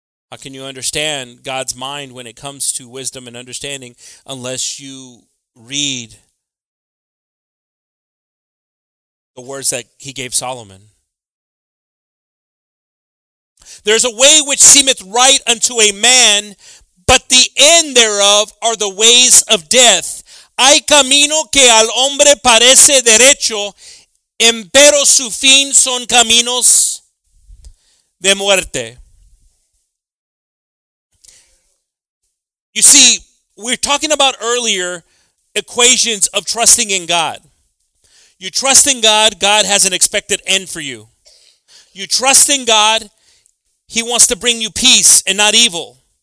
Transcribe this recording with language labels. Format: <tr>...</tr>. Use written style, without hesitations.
<en>How can you understand God's mind when it comes to wisdom and understanding unless you read the words that he gave Solomon? There's a way which seemeth right unto a man, but the end thereof are the ways of death.</en> <es>Hay camino que al hombre parece derecho, empero su fin son caminos de muerte.</es> <en>You see, we're talking about earlier equations of trusting in God. You trust in God, God has an expected end for you. You trust in God, he wants to bring you peace and not evil.</en>